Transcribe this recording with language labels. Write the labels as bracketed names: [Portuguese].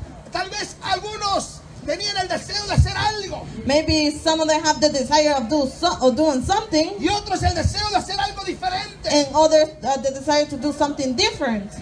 [Spanish] Tal vez algunos tenían el deseo de hacer algo. [English] Maybe some of them have the desire of doing something. [Spanish] Y otros el deseo de hacer algo diferente. [English] And others the desire to do something different.